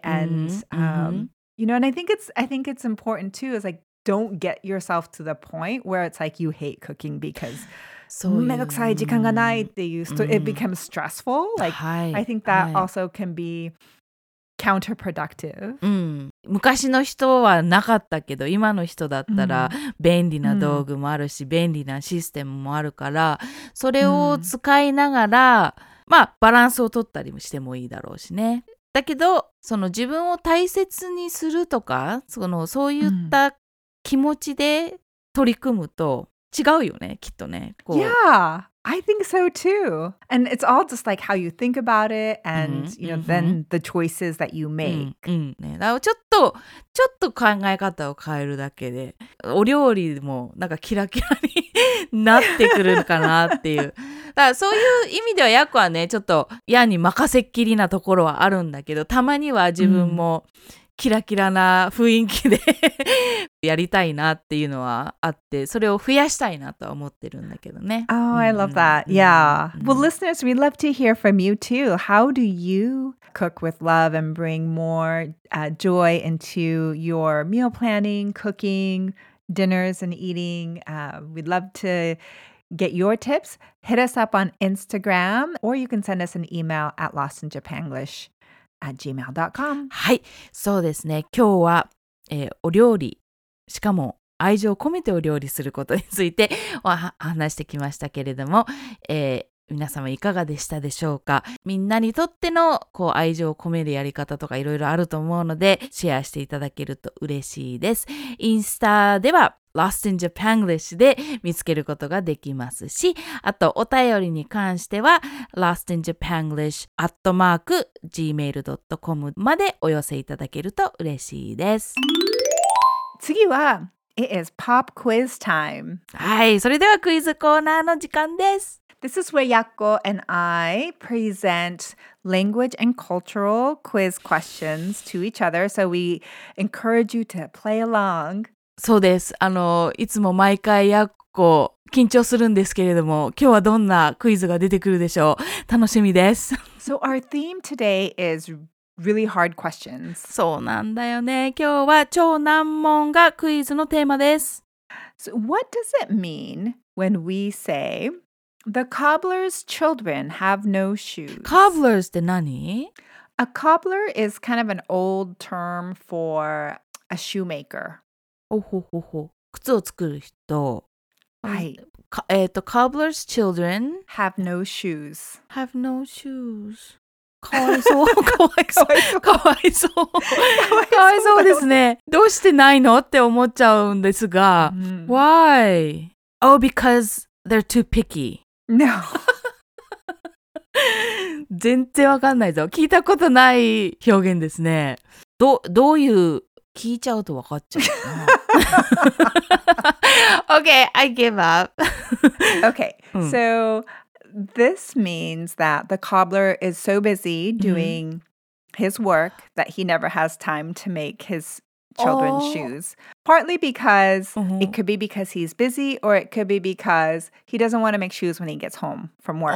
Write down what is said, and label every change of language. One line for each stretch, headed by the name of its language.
English: And, you know, and I think it's important too, is like, don't get yourself to the point where it's like you hate cooking because... It becomes stressful. Like, I think that also can be counterproductive.
Japanese: 昔の人はなかったけど、今の人だったら便利な道具もあるし、便利なシステムもあるから、それを使いながら、まあ、バランスを取ったりしてもいいだろうしね。だけど、その自分を大切にするとか、その、そういった気持ちで取り組むと、違うよね、きっとね。こう。
English: Yeah. I think so too. And it's all just like how you think about it and, mm-hmm. you know, mm-hmm. then the choices that you make. Mm-hmm.
Japanese: ね、だからちょっと考え方を変えるだけで、お料理もなんかキラキラになってくるかなっていう。だからそういう意味ではヤクはね、ちょっとヤに任せっきりなところはあるんだけど、たまには自分も、mm-hmm. キラキラな雰囲気でやりたいなっていうのはあって、それを増やしたいなとは思ってるんだけどね。
English: Oh, I love that. Yeah. Well, listeners, we'd love to hear from you too. How do you cook with love and bring more joy into your meal planning, cooking, dinners and eating? We'd love to get your tips. Hit us up on Instagram or you can send us an email at lostinjapanglish@gmail.com
Japanese: はい、そうですね。今日は、お料理、しかも愛情を込めてお料理することについて話してきましたけれども、皆様いかがでしたでしょうか。みんなにとってのこう愛情を込めるやり方とかいろいろあると思うのでシェアしていただけると嬉しいです。インスタでは Lost in Japanglish で見つけることができますし、あとお便りに関しては lostinjapanglish@gmail.com までお寄せいただけると嬉しいです。次は
English: It is pop quiz time.
Japanese: はい、それではクイズコーナーの時間です。
English: This is where Yakko and I present language and cultural quiz questions to each other. So we encourage you to play along.
Japanese: そうです。いつも毎回Yakko緊張するんですけれども、今日はどんなクイズが出てくるでしょう。楽しみです。
English: So our theme today is really hard questions.
Japanese: そうなんだよね。今日は超難問がクイズのテーマです。
English: So what does it mean when we say,The cobbler's children have no shoes.
Japanese: Cobbler's って何?
English: A cobbler is kind of an old term for a shoemaker.
Japanese: おほほほ。靴を作る人。はい。
English: Cobbler's children have no shoes. Have no shoes.
Japanese: かわいそう。かわいそう。かわいそう。かわいそうですね。どうしてないの? って思っちゃうんですが。
English: Mm-hmm. Why? Oh, because they're too picky. No.
Japanese: 全然わかんないぞ。聞いたことない表現ですね。どういう、聞いちゃうとわかっちゃうかな。
English: Okay, I give up. Okay, so this means that the cobbler is so busy doing his work that he never has time to make his children's shoes. Partly because it could be because he's busy or it could be because he doesn't want to make shoes when he gets home from work.